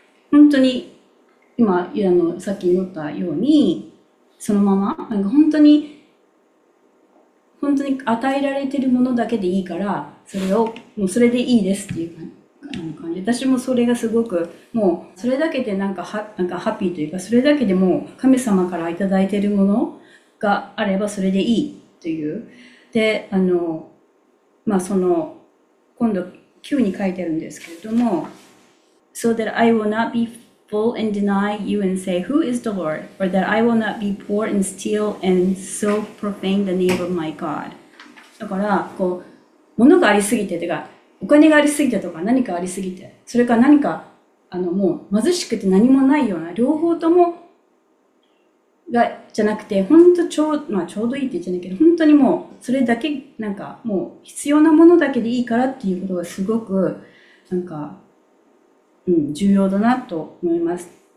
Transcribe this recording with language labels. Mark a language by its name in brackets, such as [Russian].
[Japanese] 本当に今さっき言ったように、そのままなんか本当に与えられてるものだけでいいから、それをもうそれでいいですっていう感じ。私もそれがすごく、もうそれだけでなんかハッピーというか、それだけでもう神様からいただいてるものがあればそれでいいという。で、まあ、その今度9に書いてあるんですけれども、 [English] So that I will not be full and deny you and say, Who is the Lord? Or that I will not be poor and steal and so profane the name of my God. [Japanese] だからこう、物がありすぎて、てかお金がありすぎてとか、何かありすぎて、それか何かもう貧しくて何もないような、両方ともがじゃなくて、本当ちょう、まあちょうどいいって言っちゃうんだけど、本当にもうそれだけ、なんかもう必要なものだけでいいからっていうことがすごくなんか重要だなと思います。